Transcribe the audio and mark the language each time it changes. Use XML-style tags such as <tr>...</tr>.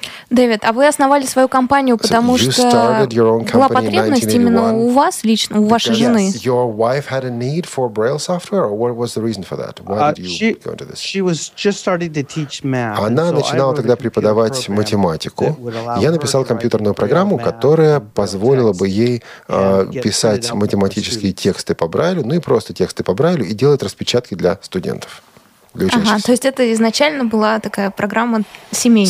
<ru>Дэвид, а вы основали свою компанию, потому что была потребность именно у вас лично, у вашей жены?</ru> <en>Your wife had a need for Braille software, or what was the reason for that? Why did you go into this? She was just starting to teach math.</en> <ru>Она начинала тогда преподавать математику. Я написал компьютерную программу, которая позволила бы ей писать математические тексты по Брайлю, ну и просто тексты по Брайлю, и делать распечатки для студентов. Ага, то есть это изначально была такая программа семейная.</ru>